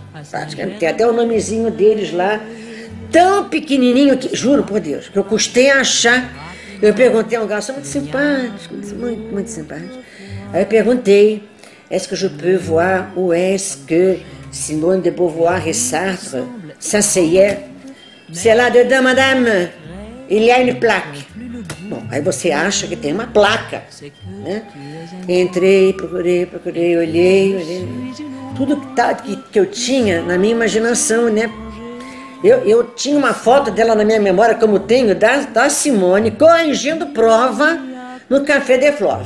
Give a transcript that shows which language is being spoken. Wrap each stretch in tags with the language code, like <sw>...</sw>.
<pt>Praticamente, tem até o nomezinho deles lá, tão pequenininho que, juro por Deus, que eu custei achar. Eu perguntei a um garçom muito simpático, muito, muito simpático. Aí eu perguntei,</pt> <fr>est-ce que je peux voir ou est-ce que Simone de Beauvoir et Sartre s'asseyaient? C'est là-dedans, madame. Il y a une plaque.</fr> <pt>Bom, aí você acha que tem uma placa, né? Entrei, procurei, olhei. Tudo que eu tinha na minha imaginação, né? Eu tinha uma foto dela na minha memória, como tenho, da Simone, corrigindo prova no Café de Flore.</pt>